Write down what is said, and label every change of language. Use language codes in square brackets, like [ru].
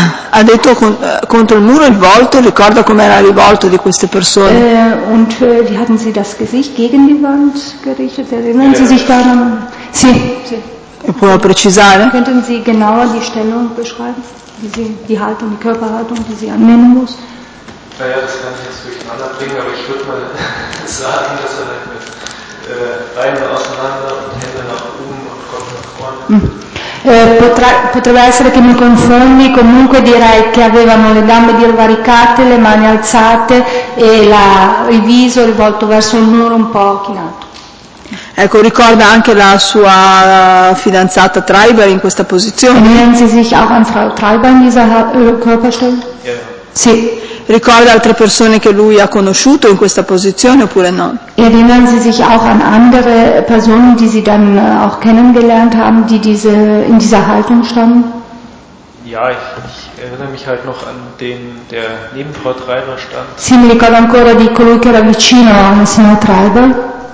[it] Ha detto contro il muro il volto, ricorda com'era il volto di queste persone? [de] Und wie hatten Sie das Gesicht gegen die Wand gerichtet? Erinnern Sie sich daran? [it] Sì. E può precisare? [de] Könnten Sie genauer die Stellung beschreiben, wie Sie die Haltung, die Körperhaltung, die Sie annehmen muss? Naja, das kann ich jetzt durcheinander bringen, aber ich würde mal sagen, dass er halt mit Beinen auseinander und Hände nach oben und Kopf nach vorne. [it] Potrebbe essere che mi confondi, comunque direi che avevano le gambe divaricate, le mani alzate e il viso rivolto verso il muro un po' chinato. Ecco, ricorda anche la sua fidanzata Treiber in questa posizione. [de] Erinnern Sie sich auch an Frau Treiber in dieser Körperstellung? Ja. [it] Sì. Ricorda altre persone che lui ha conosciuto in questa posizione oppure no? [de] Erinnern Sie sich auch an andere Personen, die Sie dann auch kennengelernt haben, die in dieser Haltung standen? Ja, ich erinnere mich halt noch an den, der neben Frau Treiber stand. [it] Sì, mi ricordo ancora di colui che era vicino alla signora Treiber.